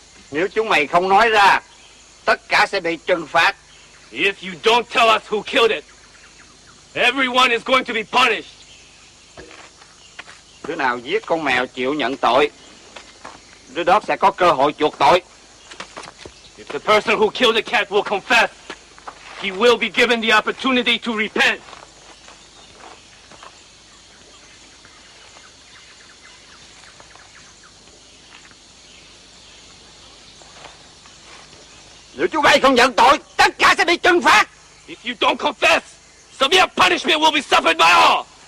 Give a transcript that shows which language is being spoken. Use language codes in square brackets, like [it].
[vi] Nếu chúng mày không nói ra, tất cả sẽ bị trừng phạt. [en] If you don't tell us who killed it, everyone is going to be punished. [vi] Đứa nào giết con mèo chịu nhận tội, đứa đó sẽ có cơ hội chuộc tội. [en] If the person who killed the cat will confess, he will be given the opportunity to repent. [vi] Nếu chúng mày không nhận tội, tất cả sẽ bị trừng phạt. [en] If you don't confess, severe punishment will be suffered by all.